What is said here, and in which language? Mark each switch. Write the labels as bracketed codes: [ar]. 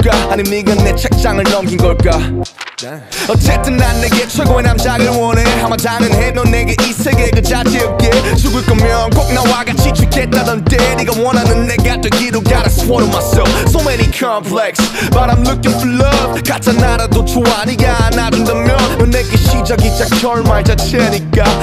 [ko] 아니 네가 내 책장을 넘긴 걸까. 어쨌든 난 내게 최고의 남자를 원해. 아마 당연해 넌 내게 이 세계의 그 자체였게. 죽을 거면 꼭 나와 같이 죽겠다던데. 네가 원하는 내가 되기로 [en] got a sword on myself. So many complex but I'm looking for love. [ko] 가짜 나라도 좋아 네가 안아준다면 넌 내게 시작이자 결말 자체니까.